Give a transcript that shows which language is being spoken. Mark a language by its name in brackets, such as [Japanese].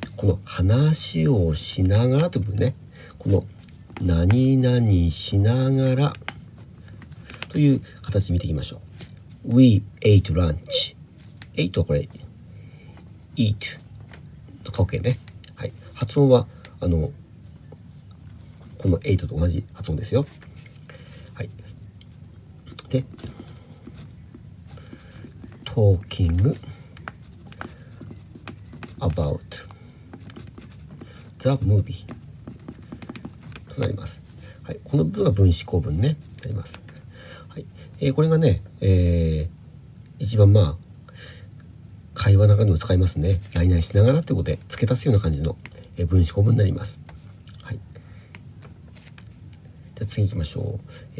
[Japanese] この話をしながらという部分ね、この何々しながらという形見ていきましょう。 [English] We ate lunch. Ate [Japanese] はこれ、 [English] eat [Japanese] とか [English] OK ね。 [Japanese] はい、発音はこの ate と同じ発音ですよ。はい。 [English] で、talking about the movie [Japanese] となります。はい、この部分は分子構文ね、なります。これがね、一番まあ会話の中でも使いますね。何々しながらということで付け足すような感じの分子構文になります。はい、じゃあ次行きましょう。